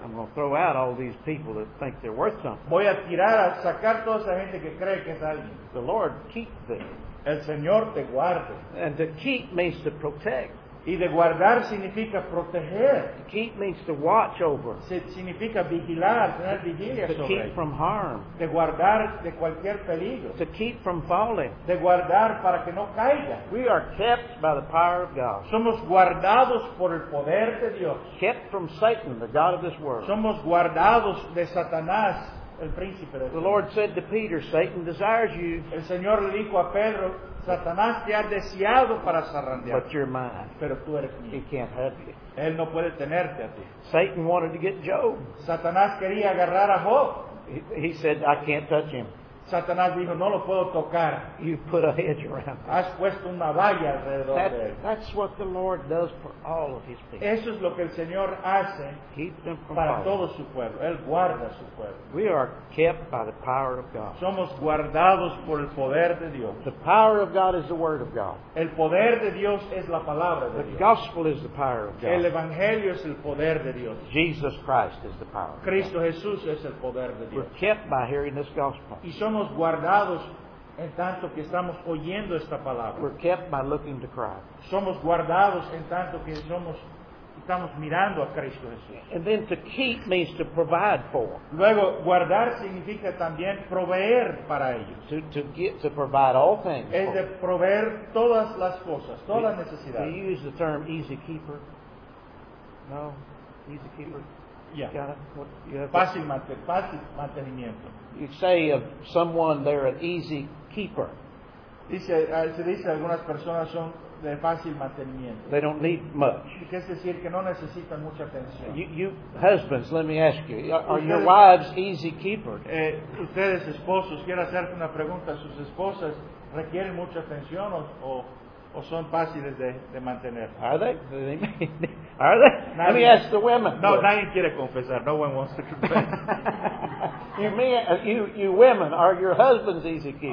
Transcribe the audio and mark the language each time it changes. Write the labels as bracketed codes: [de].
[en] I'm going to throw out all these people that think they're worth something. [es] Voy a tirar, a sacar toda esa gente que cree que es alguien. [en] The Lord keep them. [es] El Señor te guarde. [en] And to keep means to protect. [es] Y de guardar significa proteger. [en] To keep means to watch over. [es] Significa vigilar, tener vigilia sobre. [en] To keep from harm. [es] De guardar de cualquier peligro. [en] To keep from falling. [es] De guardar para que no caiga. [en] We are kept by the power of God. [es] Somos guardados por el poder de Dios. [en] Kept from Satan, the god of this world. [es] Somos guardados de Satanás. El príncipe de [en] the Lord said to Peter, Satan desires you. [es] El Señor le dijo a Pedro, Satanás te ha deseado para zarandear. [en] But you're mine. [es] Pero tú eres mío. [en] He can't have you. [es] Él no puede tenerte a ti. [en] Satan wanted to get Job. [es] Satanás quería agarrar a Job. [en] He said, I can't touch him. [es] Satanás dijo, no lo puedo tocar. [en] You put a hedge around him. [es] Has puesto una valla alrededor [en] that, [es] de él. [en] That's what the Lord does for all of his people. [es] Eso es lo que el Señor hace para todo su pueblo. Él guarda su pueblo. [en] We are kept by the power of God. [es] Somos guardados por el poder de Dios. [en] The power of God is the word of God. [es] El poder de Dios es la palabra de [en] the [es] Dios. [en] The gospel is the power of God. [es] El evangelio es el poder de Dios. [en] Jesus Christ is the power. [es] Cristo Jesús es el poder de Dios. [en] We're kept by hearing this gospel. [es] Somos guardados en tanto que estamos oyendo esta palabra. [en] We're kept by looking to Christ. [es] Somos guardados en tanto que estamos mirando a Cristo Jesús. [en] And then to keep means to provide for. [es] Luego, guardar significa también proveer para ellos. [en] To provide all things. [es] Es de proveer todas las cosas, todas las necesidades. [en] Do you use the term easy keeper? No? Easy keeper? Yeah. [es] Fácil mantenimiento. [en] You say of someone they're an easy keeper. [es] Se dice algunas personas son de fácil mantenimiento. [en] They don't need much. [es] Que es decir que no necesitan mucha atención. [en] You husbands, let me ask you, are your wives easy keepers? [es] Ustedes esposos, quiero hacerte una pregunta. ¿Sus esposas requieren mucha atención o son fáciles de mantener? [en] Are they? Are they? [es] Nadie. [en] Let me ask the women. No, yes. [es] Nadie quiere confesar. [en] No one wants to confess. you women, are your husbands easy keepers?